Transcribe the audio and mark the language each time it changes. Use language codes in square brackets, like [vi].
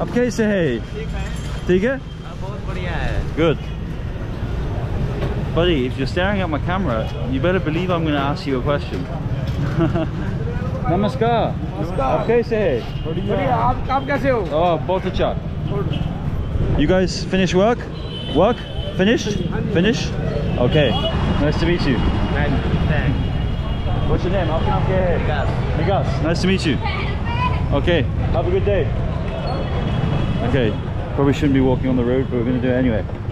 [hi] आप कैसे है? ठीक है? Bahut badhiya hai. [en] Good. Buddy, if you're staring at my camera, you better believe I'm going to ask you a question. [hi] नमस्कार! Namaskar! आप कैसे है? Badhiya. आप कैसे हो? ओह, बहुत अच्छा. [en] You guys finish work? Work? Finish? Okay. Nice to meet you. Thanks. What's your name? Migas. Nice to meet you. Okay. Have a good day. Okay. Probably shouldn't be walking on the road, but we're gonna do it anyway.